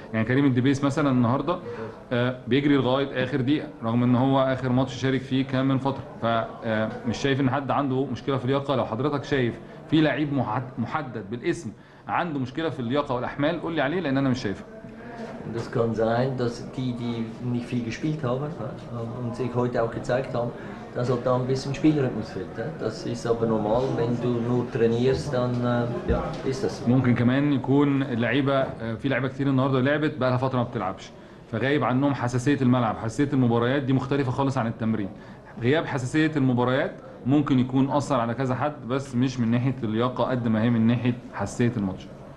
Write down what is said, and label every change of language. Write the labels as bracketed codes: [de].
[ar] يعني كريم الدبيس مثلا النهاردة بيجري لغاية آخر دقيقة، رغم إن هو آخر ماتش شارك فيه كان من فترة. فمش شايف إن حد عنده مشكلة في اللياقة. لو حضرتك شايف في لعيب محدد بالاسم عنده مشكلة في اللياقة والأحمال قول لي عليه، لأن أنا مش شايفه. [de] Das kann sein, dass die nicht viel gespielt haben und sich heute auch gezeigt haben, dass halt da ein bisschen Spielrhythmus fehlt. Das ist aber normal, wenn du nur trainierst, dann ja, ist das. [ar] ممكن كمان يكون اللعيبة في لعيبة كتير النهاردة لعبت بقالها فترة ما بتلعبش، فغايب عنهم حساسية الملعب، حساسية المباريات دي مختلفة خالص عن التمرين. غياب حساسية المباريات ممكن يكون أثر على كذا حد، بس مش من ناحية اللياقة قد ما هي من ناحية حساسية الماتش.